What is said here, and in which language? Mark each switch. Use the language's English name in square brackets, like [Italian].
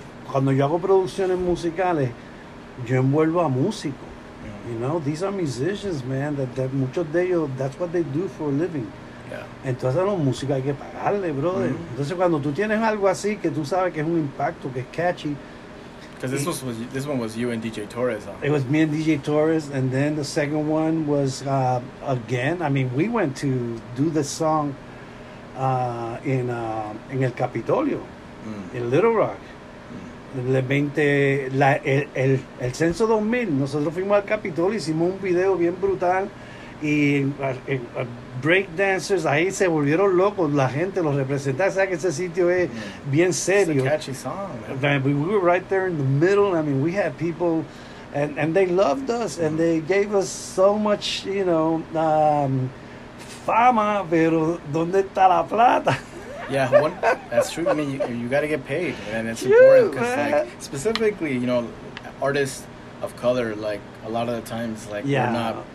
[Spanish] Cuando yo hago producciones musicales, yo envuelvo a músicos. [English] Mm. You know, these are musicians, man. That [Spanish] muchos de ellos, [English] that's what they do for a living. Yeah. [Spanish] Entonces a los músicos hay que pagarle, brother. Mm-hmm. Entonces cuando tú tienes algo así que tú sabes que es un impacto, que es catchy. [English] Because this one was you and DJ Torres. Huh? It was me and DJ Torres, and then the second one was again. I mean, we went to do the song in el Capitolio, in Little Rock. [Spanish] El Censo 2000. Nosotros fuimos al Capitolio, hicimos un video bien brutal. Y break dancers ahí se volvieron locos, la gente, los representantes, sabes que ese sitio es bien serio. [English] It's a catchy song, man. We were right there in the middle. I mean, we had people and they loved us and they gave us so much, you know, [Spanish] fama, pero ¿dónde está la plata? [English] Yeah, that's true. I mean, you got to get paid, and it's cute, important, because like, specifically, you know, artists of color, like a lot of the times, like yeah.